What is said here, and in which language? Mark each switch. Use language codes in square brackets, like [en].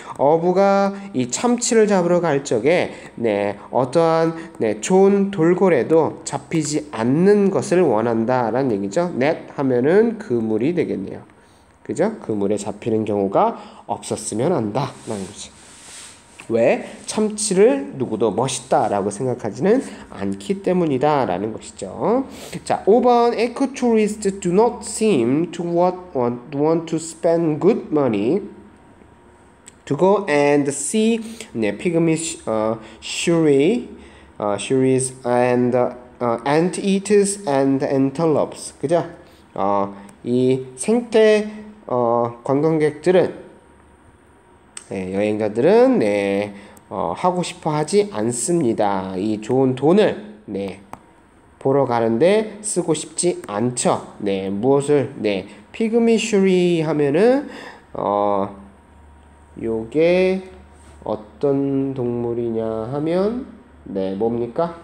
[ko] 어부가 이 참치를 잡으러 갈 적에 네, 어떠한 네, 좋은 돌고래도 잡히지 않는 것을 원한다라는 얘기죠. Net 하면은 그물이 되겠네요. 그죠? 그물에 잡히는 경우가 없었으면 한다 라는 거지. 왜? 참치를 누구도 멋있다라고 생각하지는 않기 때문이다 라는 것이죠. 자, 5번 [en] Ecotourists do not seem to want to spend good money to go and see [ko] 네, [en] pygmy shrews and anteaters and antelopes. [ko] 그죠? 이 생태 관광객들은 네, 여행자들은 네, 하고 싶어 하지 않습니다. 이 좋은 돈을 네, 보러 가는데 쓰고 싶지 않죠. 네, 무엇을 네, 피그미 슈리 하면은 요게 어떤 동물이냐 하면 네, 뭡니까?